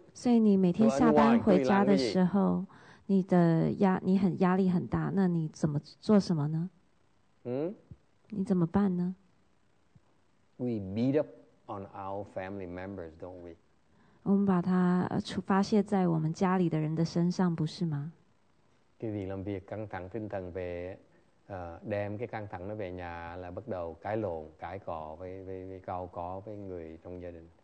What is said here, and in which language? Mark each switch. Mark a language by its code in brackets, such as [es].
[zh] 所以你每天下班回家的时候，你很压力很大，那你怎么做什么呢？你怎么办呢 [en] ？We beat up on our family members, don't we？ [zh] 我们把它发泄在我们家里的人的身上，不是吗 [vi] cái việc làm việc căng thẳng tinh thần về đem cái căng thẳng nó về nhà là bắt đầu cãi lộn, cãi cọ với cao có với người trong gia đình.